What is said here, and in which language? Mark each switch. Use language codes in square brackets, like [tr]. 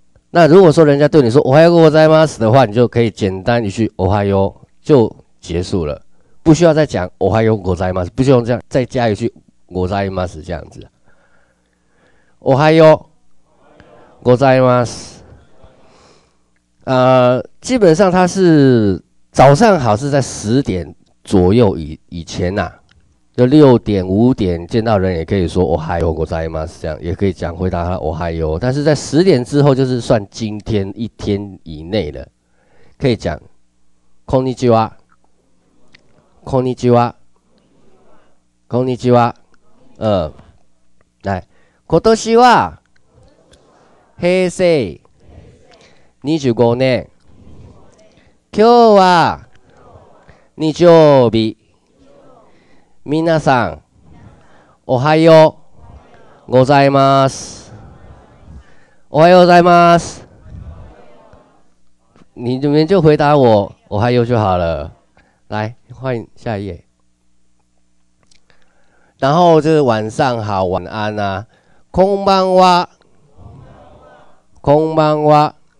[zh] 那如果说人家对你说 [ja] Ohio gozaimasu [zh] 的话，你就可以简单一句 Ohio 就结束了，不需要再讲 Ohio gozaimasu， 不需要这样再加一句 gozaimasu 这样子。 [ja] Ohio gozaimasu， [zh] 基本上它是早上好是在10点左右以前啊。就6点、5点见到人也可以说 [ja] Ohio gozaimasu， [zh] 这样也可以讲回答他 Ohio， 但是在10点之后就是算今天一天以内的，可以讲 [ja] Konnichiwa， Konnichiwa， Konnichiwa， [zh] 来， [ja] 今年は平成25年，今日は日曜日。皆さん、おはようございます。おはようございます。 [zh] 你们就回答我，おはよう就好了。来，欢迎下一页。然后就是晚上好，晚安啊。 [ja] こんばんは。こんばんは。